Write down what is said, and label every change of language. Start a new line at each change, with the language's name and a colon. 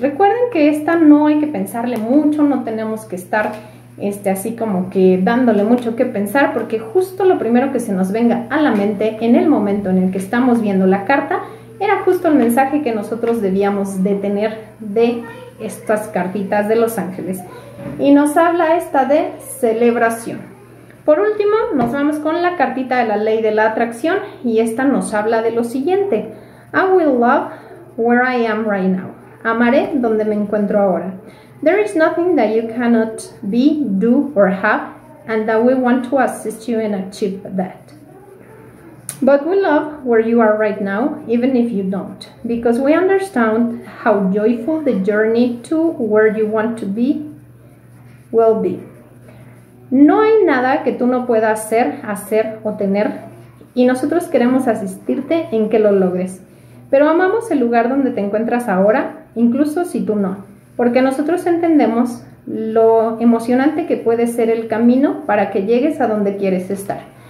Spanish: Recuerden que esta no hay que pensarle mucho, no tenemos que estar así como que dándole mucho que pensar, porque justo lo primero que se nos venga a la mente en el momento en el que estamos viendo la carta era justo el mensaje que nosotros debíamos de tener de estas cartitas de los ángeles. Y nos habla esta de celebración. Por último, nos vamos con la cartita de la ley de la atracción y esta nos habla de lo siguiente.
English: I will love where I am right now.
Spanish: Amaré donde me encuentro ahora.
English: There is nothing that you cannot be, do or have and that we want to assist you in achieve that. But we love where you are right now, even if you don't, because we understand how joyful the journey to where you want to be will be.
Spanish: No hay nada que tú no puedas hacer, hacer o tener, y nosotros queremos asistirte en que lo logres. Pero amamos el lugar donde te encuentras ahora, incluso si tú no, porque nosotros entendemos lo emocionante que puede ser el camino para que llegues a donde quieres estar.